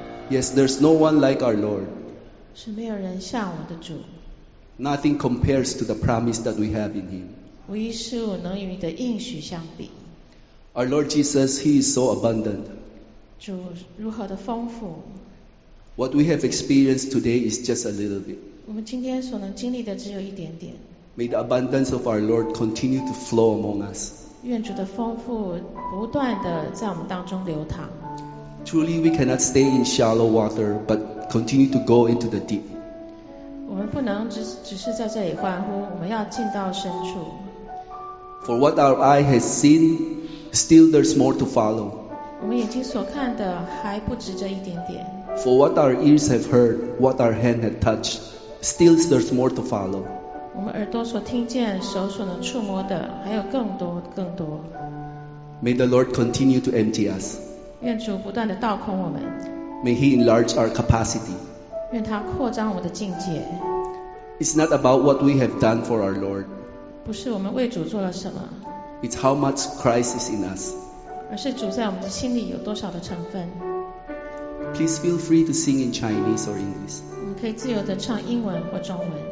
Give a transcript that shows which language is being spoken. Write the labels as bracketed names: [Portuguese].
[English] Yes, there's no one like our Lord. [Chinese] 是没有人像我的主。 [English] Nothing compares to the promise that we have in Him. [Chinese] 无一事物能与你的应许相比。 [English] Our Lord Jesus, He is so abundant. [Chinese] 主如何的丰富。 [English] What we have experienced today is just a little bit. [Chinese] 我们今天所能经历的只有一点点。 [English] May the abundance of our Lord continue to flow among us. [Chinese] 愿主的丰富不断地在我们当中流淌。 [English] Truly, we cannot stay in shallow water, but continue to go into the deep. [Chinese] 我们不能只是在这里欢呼，我们要进到深处。 [English] For what our eye has seen, still there's more to follow. [Chinese] 我们眼睛所看的还不止这一点点。 [English] For what our ears have heard, what our hand had touched, still there's more to follow. [Chinese] 我们耳朵所听见，手所能触摸的，还有更多更多。 [English] May the Lord continue to empty us. [Chinese] 愿主不断地倒空我们。 [English] May He enlarge our capacity. [Chinese] 愿他扩张我们的境界。 [English] It's not about what we have done for our Lord. [Chinese] 不是我们为主做了什么。 [English] It's how much Christ is in us. [Chinese] 而是主在我们的心里有多少的成分。 [English] Please feel free to sing in Chinese or English. [Chinese] 我们可以自由地唱英文或中文。